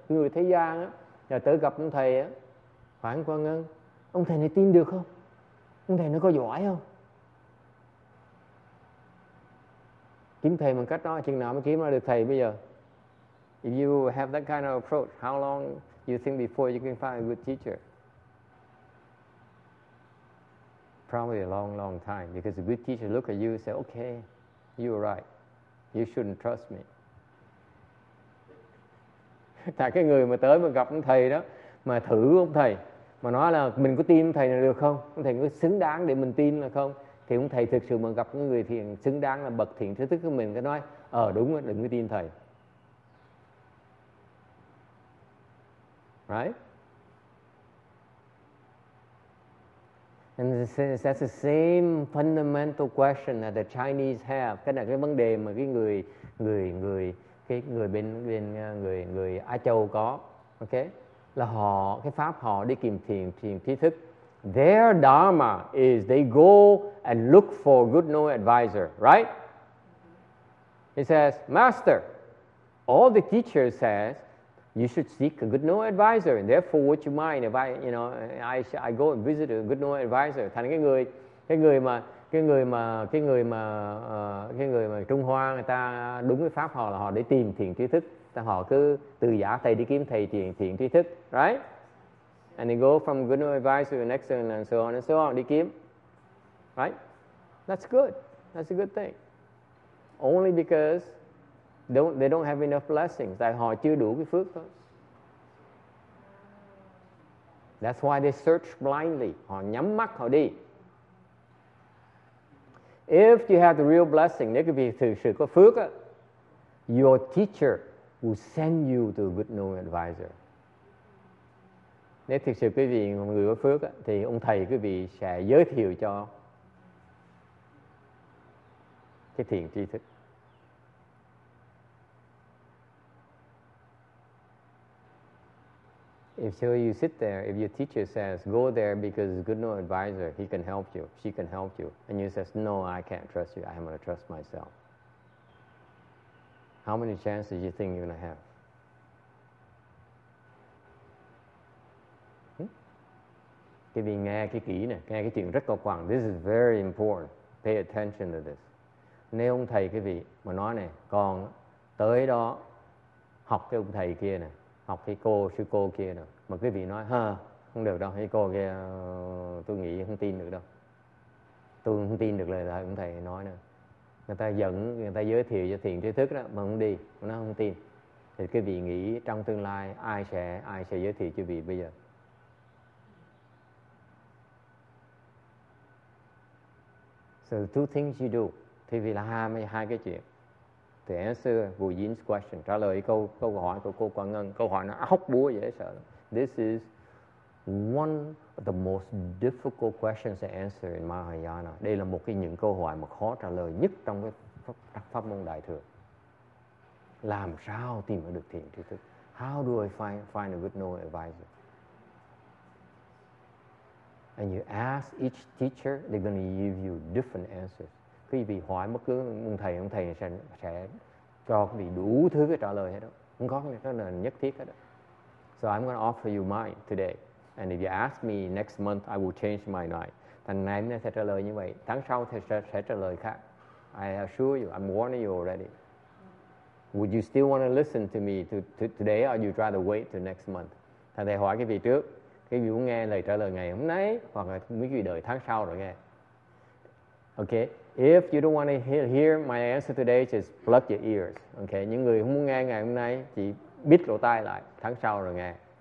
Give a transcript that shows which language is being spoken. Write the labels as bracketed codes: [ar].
[vi] Người thế gian á, là tới gặp ông thầy á, Hoàng Quang Ngân, ông thầy này tin được không? Ông thầy nó có giỏi không? Kiếm thầy bằng cách đó, chừng nào mới kiếm ra được thầy bây giờ? [en] If you have that kind of approach, how long you think before you can find a good teacher? Probably a long, long time, because a good teacher look at you and say, okay, you're right. You shouldn't trust me. [vi] Tại cái người mà tới mà gặp ông thầy đó, mà thử ông thầy, mà nói là mình có tin ông thầy này được không? Ông thầy có xứng đáng để mình tin là không? Thì ông thầy thực sự mà gặp những người thiện xứng đáng là bậc thiện trí thức của mình, cái nói, đúng rồi, đừng có tin thầy. [en] Right? And that's the same fundamental question that the Chinese have. [vi] Cái này cái vấn đề mà cái người Á Châu có, okay? Là họ, cái pháp họ đi kiếm thiền trí thức. [en] Their dharma is they go and look for good knowing advisor, right? He says, Master, all the teacher says, you should seek a good knowing advisor. And therefore, would you mind if I go and visit a good knowing advisor? [vi] Thành cái người mà Trung Hoa người ta đúng cái pháp họ là họ để tìm thiền trí thức, họ cứ từ giả thầy đi kiếm thầy thiền trí thức, right? [en] And they go from good knowing advisor to an excellent and so on, [vi] đi kiếm. [en] Right? That's good. That's a good thing. Only because they don't have enough blessings. [vi] Tại họ chưa đủ cái phước thôi. [en] That's why they search blindly. [vi] Họ nhắm mắt họ đi. [en] If you have the real blessing, [vi] nếu cái việc thực sự có phước, [en] your teacher will send you to a good knowing advisor. [vi] Nếu thực sự quý vị là người có phước thì ông thầy quý vị sẽ giới thiệu cho cái thiền tri thức. [en] If so, you sit there, if your teacher says, go there because good no advisor, he can help you, she can help you, and you says, no, I can't trust you, I'm going to trust myself. How many chances do you think you're going to have? [vi] Cái vị nghe cái kỹ này, nghe cái chuyện rất cao quan. [en] This is very important. Pay attention to this. [vi] Nếu ông thầy cái vị mà nói này, con tới đó học cái ông thầy kia này, học cái cô, sư cô kia này. Mà cái vị nói, ha, không được đâu, cái cô kia tôi nghĩ không tin được đâu. Tôi không tin được lời ông thầy nói nữa. Người ta dẫn, người ta giới thiệu cho thiền trí thức đó, mà không đi, nó không tin. Thì cái vị nghĩ trong tương lai, ai sẽ giới thiệu cho vị bây giờ? [en] So the two things you do, [vi] thì vì là hai cái chuyện. [en] To answer Vu Yin's question, [vi] trả lời câu hỏi của cô Quang Ngân, câu hỏi nó hóc búa dễ sợ. [en] This is one of the most difficult questions to answer in Mahayana. [vi] Đây là một cái những câu hỏi mà khó trả lời nhất trong cái pháp môn Đại Thừa. Làm sao tìm được thiền trí thức? [en] How do I find a good knowing advisor? And you ask each teacher, they're going to give you different answers. [vi] Quý vị hỏi bất cứ ông thầy sẽ cho quý vị đủ thứ cái trả lời hết đó. Không có cái lời nhất thiết hết đó. [en] So I'm going to offer you mine today. And if you ask me next month, I will change my mind. [vi] Thành ngày hôm nay sẽ trả lời như vậy. Tháng sau thì sẽ trả lời khác. [en] I assure you, I'm warning you already. Would you still want to listen to me today or you'd rather wait till next month? [vi] Thành thầy hỏi quý vị trước. Cái vị muốn nghe lời trả lời ngày hôm nay hoặc là mấy vị đợi tháng sau rồi nghe. [en] Okay, if you don't want to hear my answer today, just plug your ears. Okay, [vi] những người không muốn nghe ngày hôm nay, chỉ bít lỗ tai lại, tháng sau rồi nghe.